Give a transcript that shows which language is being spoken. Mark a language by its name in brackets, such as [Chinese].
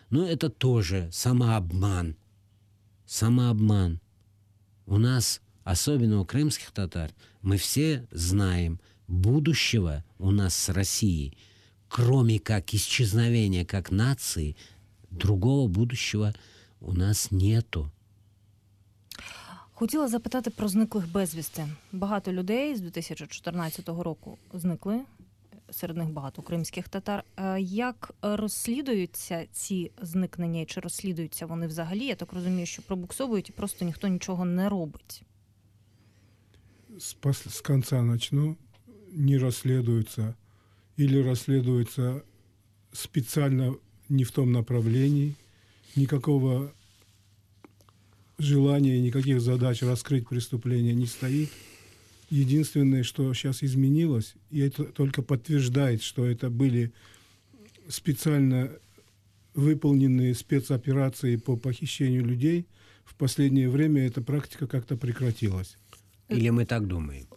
[Russian] Но это тоже самообман. Самообман. У нас, особенно у крымских татар, мы все знаем, будущего у нас с Россией, кроме как исчезновения как нации, другого будущего у нас нету. [Ukrainian] Хотіла запитати про зниклих безвісти. Багато людей з 2014 року зникли. Серед них багато кримських татар. Як розслідуються ці зникнення, чи розслідуються вони взагалі? Я так розумію, що пробуксовують і просто ніхто нічого не робить. З кінця почну. Не розслідуються. Або розслідуються спеціально не в тому направленні. Ніякого желання, ніяких задач розкрити преступлення не стоїть. [Russian] Единственное, что сейчас изменилось, и это только подтверждает, что это были специально выполненные спецоперации по похищению людей, в последнее время эта практика как-то прекратилась. Или мы так думаем?